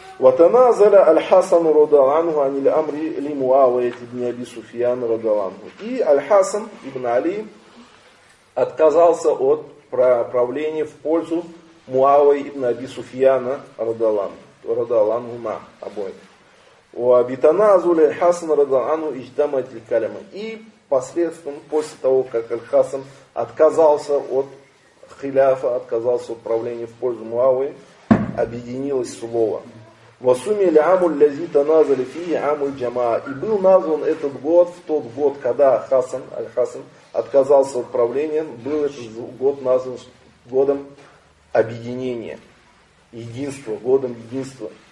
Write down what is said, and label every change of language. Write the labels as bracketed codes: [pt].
[ar] وتنازل الحسن رضي الله عنه عن الأمر لمعاوية بن أبي سفيان رضي الله عنه. [ru] И Аль-Хасан ибн Али отказался от правления в пользу Муавия ибн Аби Суфьяна [ar] رضي الله عنهما [ru] обоим. [ar] وبتنازل الحسن رضي الله عنه اجتمعت الكلمة. [ru] И последствием, после того, как Аль-Хасан отказался от хиляфа, отказался от правления в пользу Муавии, объединилось слово. [ar] Восумили амуль лази таназали фии амуль джамаа. [ru] И был назван этот год в тот год, когда Хасан, Аль-Хасан, отказался от правления, был этот год назван годом объединения, единства, годом единства.